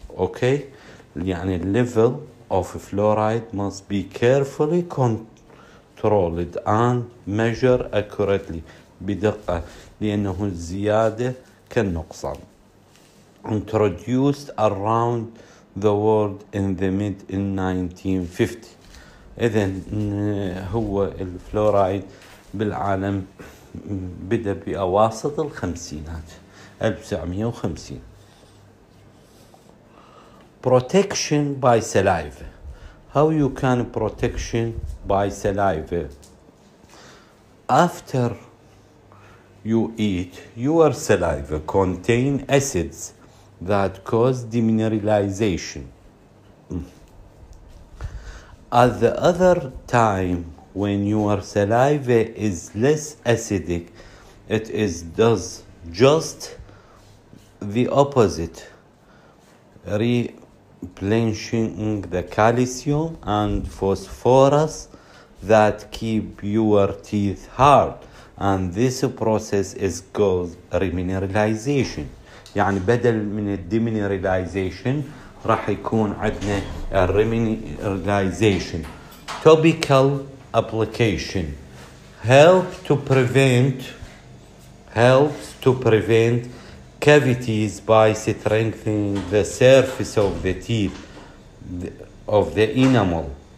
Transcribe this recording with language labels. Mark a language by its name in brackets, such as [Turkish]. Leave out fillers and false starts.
[English] Okay, يعني level of fluoride must be carefully controlled and measure accurately [Arabic] بدقة لأنه الزيادة كالنقصان. [English] Introduced around the world in the mid in 1950. [Arabic] إذن هو الفلورايد بالعالم بدأ بأواسط الخمسينات 1950. [English] Protection by saliva. How you can protection by saliva? After you eat, your saliva contain acids that cause demineralization. At the other time when your saliva is less acidic, it is does just the opposite, replenishing the calcium and phosphorus that keep your teeth hard, and this process is called remineralization. [Arabic] يعني بدل من الديمينيراليزيشن راح يكون عندنا الريمينيراليزيشن. [English] Topical application helps to prevent cavities by strengthening the surface of the teeth of the enamel.